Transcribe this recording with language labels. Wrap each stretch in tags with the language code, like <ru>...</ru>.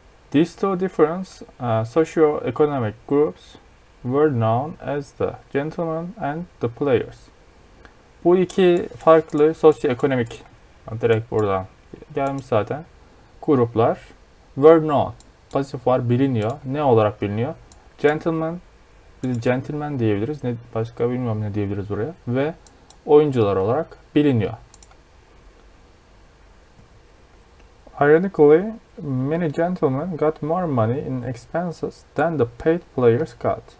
<en>These two different socio-economic groups were known as the gentlemen and the players.</en> <tr>Bu iki farklı sosyoekonomik yani direkt buradan gelmiş zaten gruplar</tr> <en>were known</en> <tr>pasif var biliniyor ne olarak biliniyor gentleman bir gentleman diyebiliriz ne başka bilmiyorum ne diyebiliriz buraya ve oyuncular olarak biliniyor.</tr> <en>Ironically, many gentlemen got more money in expenses than the paid players got.</en>